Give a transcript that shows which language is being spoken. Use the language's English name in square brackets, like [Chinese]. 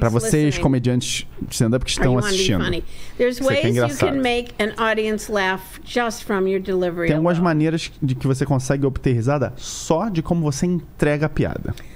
[Portuguese] para vocês comediantes stand-up que estão assistindo. [English] There's ways you can make an audience laugh just from your delivery. [Portuguese] Tem algumas maneiras de que você consegue obter risada só de como você entrega a piada.